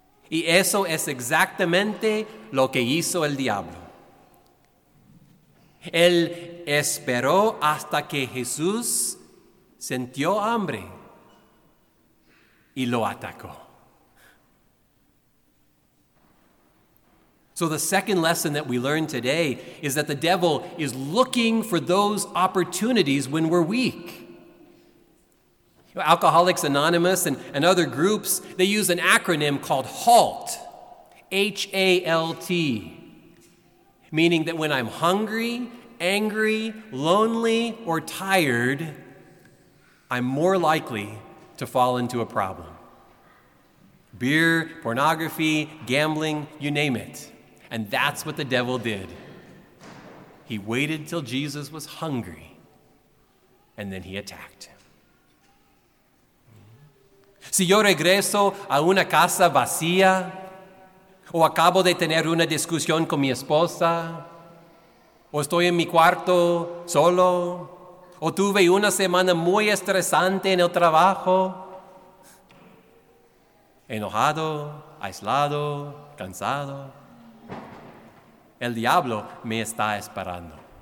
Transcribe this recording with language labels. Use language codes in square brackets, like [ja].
[es] Y eso es exactamente lo que hizo el diablo. Él esperó hasta que Jesús sintió hambre y lo atacó. [en] So the second lesson that we learn today is that the devil is looking for those opportunities when we're weak. Alcoholics Anonymous and other groups, they use an acronym called HALT, H-A-L-T, meaning that when I'm hungry, angry, lonely, or tired, I'm more likely to fall into a problem. Beer, pornography, gambling, you name it. And that's what the devil did. He waited till Jesus was hungry, and then he attacked. [es] Si yo regreso a una casa vacía, o acabo de tener una discusión con mi esposa, o estoy en mi cuarto solo, o tuve una semana muy estresante en el trabajo, enojado, aislado, cansado, el diablo me está esperando.